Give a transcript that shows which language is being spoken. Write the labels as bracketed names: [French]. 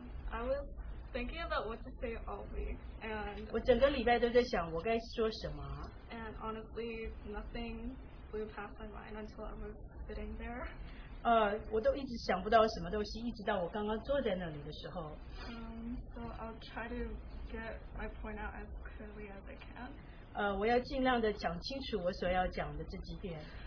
[English] I was thinking about what to say all week, and [Chinese] 我整个礼拜都在想我该说什么。 [English] And honestly, nothing flew past my mind until I was sitting there. [Chinese] 我都一直想不到什么东西，一直到我刚刚坐在那里的时候。 [English] So I'll try to get my point out as clearly as I can. [Chinese] 我要尽量的讲清楚我所要讲的这几点。